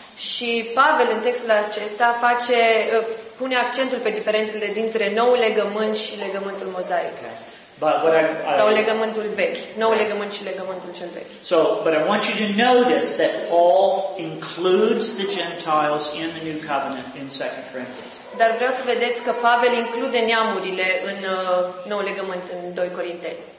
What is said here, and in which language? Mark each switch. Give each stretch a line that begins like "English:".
Romanian: Și Pavel în textul acesta face pune accentul pe diferențele dintre noul legământ și legământul mozaic.
English: Okay. But what
Romanian: sau legământul vechi, noul legământ și legământul cel vechi.
English: So, but I want you to notice that Paul includes the Gentiles in the new covenant in 2 Corinthians.
Romanian: Dar vreau să vedeți că Pavel include neamurile în noul legământ în 2 Corinteni.